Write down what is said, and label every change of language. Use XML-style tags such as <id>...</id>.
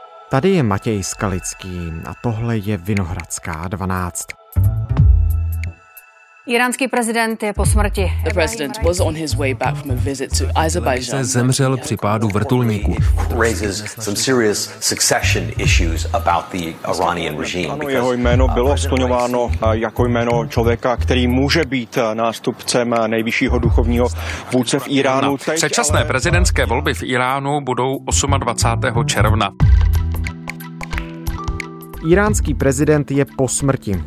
<cs>Tady je Matěj Skalický a tohle je Vinohradská 12. Iránský prezident je po smrti.</cs> <en>The president was on his way back from a visit to Azerbaijan.</en> <cs>Zemřel při pádu vrtulníku.</cs> <en>Raises some serious succession issues about the Iranian regime.</en> <cs>Jeho jméno bylo skloňováno jako jméno člověka, který může být nástupcem nejvyššího duchovního vůdce v Iránu. Předčasné prezidentské volby v Iránu budou 28. června. Iránský prezident je po smrti.</cs>